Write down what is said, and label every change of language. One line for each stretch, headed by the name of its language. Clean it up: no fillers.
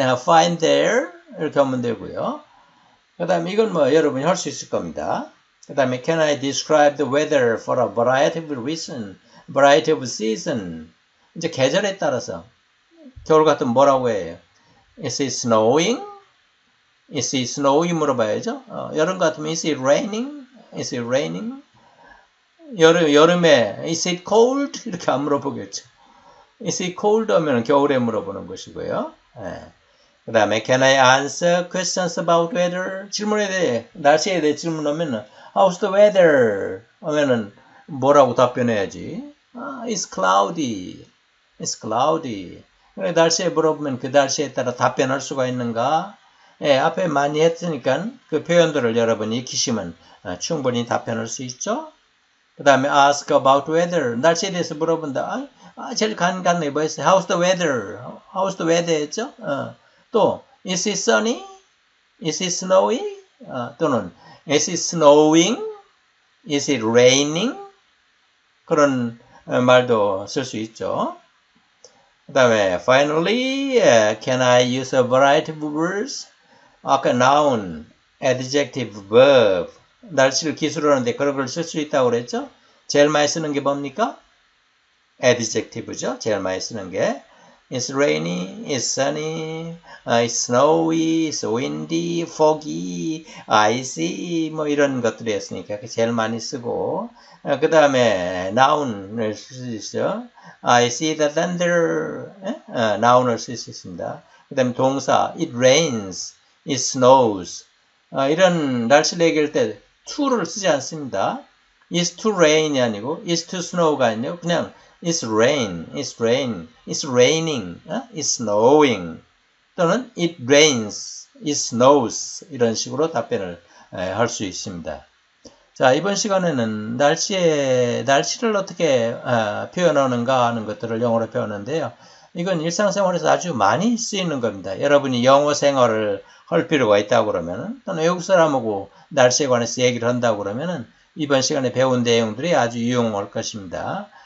English: Fine there?
Korean: 이렇게 하면 되고요. 그 다음에 이건 뭐 여러분이 할수 있을 겁니다.
English: 그 다음에 Can I describe the weather for a variety of reason? Variety of season.
Korean: 이제 계절에 따라서. 겨울 같으면 뭐라고 해요?
English: Is it snowing? Is it snowing?
Korean: 물어봐야죠. 여름 같으면
English: Is it raining? Is it raining?
Korean: 여름에
English: Is it cold?
Korean: 이렇게 안 물어보겠죠.
English: Is it cold?
Korean: 하면 겨울에 물어보는 것이고요. 예.
English: 그 다음에 Can I answer questions about weather?
Korean: 질문에 대해, 날씨에 대해 질문하면
English: How's the weather?
Korean: 하면은 뭐라고 답변해야지?
English: It's cloudy. It's cloudy.
Korean: 날씨에 물어보면 그 날씨에 따라 답변할 수가 있는가? 예, 앞에 많이 했으니까 그 표현들을 여러분이 익히시면 충분히 답변할 수 있죠? 그 다음에
English: ask about weather.
Korean: 날씨에 대해서 물어본다. 제일 간간해 보였어요.
English: How's the weather? How's the weather
Korean: 했죠? 또,
English: is it sunny? Is it snowy?
Korean: 또는
English: is it snowing? Is it raining?
Korean: 그런 말도 쓸수 있죠. 그 다음에
English: finally, can I use a variety of verbs?
Korean: 아까 noun, adjective, verb. 날씨를 기술하는데 그런 걸쓸수 있다고 그랬죠? 제일 많이 쓰는 게 뭡니까? adjective죠. 제일 많이 쓰는 게.
English: It's rainy, it's sunny, it's snowy, it's windy, foggy, icy,
Korean: 뭐 이런 것들이었으니까 제일 많이 쓰고 그 다음에 noun을 쓸수 있어요.
English: I see the thunder, noun을
Korean: 쓸수 있습니다. 그 다음에 동사,
English: it rains, it snows.
Korean: 이런 날씨를 얘기할 때 to를 쓰지 않습니다.
English: It's too rainy
Korean: 아니고,
English: it's too snow가 아니고
Korean: 그냥
English: It's rain, it's rain, it's raining, it's snowing.
Korean: 또는
English: it rains, it snows.
Korean: 이런 식으로 답변을 할수 있습니다. 자, 이번 시간에는 날씨를 어떻게 표현하는가 하는 것들을 영어로 배웠는데요. 이건 일상생활에서 아주 많이 쓰이는 겁니다. 여러분이 영어 생활을 할 필요가 있다고 그러면은, 또는 외국 사람하고 날씨에 관해서 얘기를 한다고 그러면은, 이번 시간에 배운 내용들이 아주 유용할 것입니다.